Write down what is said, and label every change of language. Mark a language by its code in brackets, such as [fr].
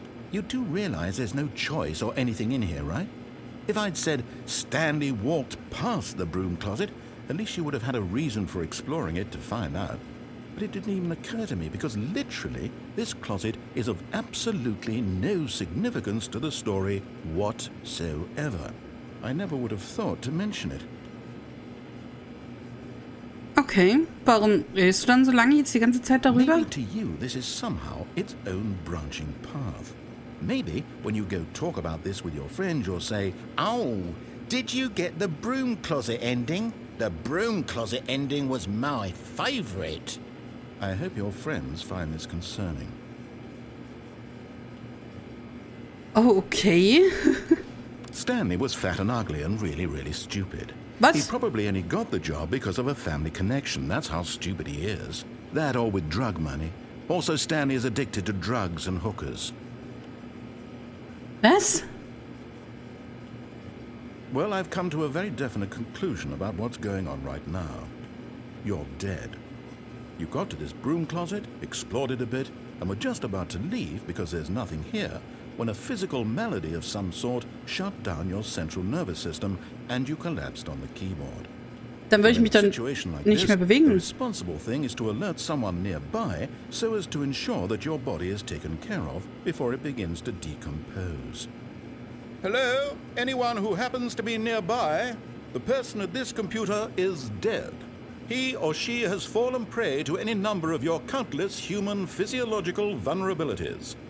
[en] You do realize there's no choice or anything in here, right? If I'd said Stanley walked past the broom closet, at least you would have had a reason for exploring it to find out. But it didn't even occur to me because literally this closet is of absolutely no significance to the story whatsoever. I never would have thought to mention it. [de] Okay, warum redest du dann so lange jetzt die ganze Zeit darüber? [en] Maybe to you this is somehow its own branching path. Maybe when you go talk about this with your friends, you'll say, oh, did you get the broom closet ending? The broom closet ending was my favorite. I hope your friends find this concerning. Okay. Stanley was fat and ugly and really, really stupid. [de] Was? [en] He probably only got the job because of a family connection. That's how stupid he is. That or with drug money. Also, Stanley is addicted to drugs and hookers. [de] Was? [en] Well, I've come to a very definite conclusion about what's going on right now. You're dead. You got to this broom closet, explored it a bit, and were just about to leave because there's nothing here, when a physical malady of some sort shut down your central nervous system and you collapsed on the keyboard. [de] Dann würde ich mich dann nicht mehr bewegen. [en] The responsible thing is to alert someone nearby so as to ensure that your body is taken care of before it begins to decompose. Hello? Anyone who happens to be nearby? The person at this computer is dead. He or she has fallen prey to any number of your countless human physiological vulnerabilities.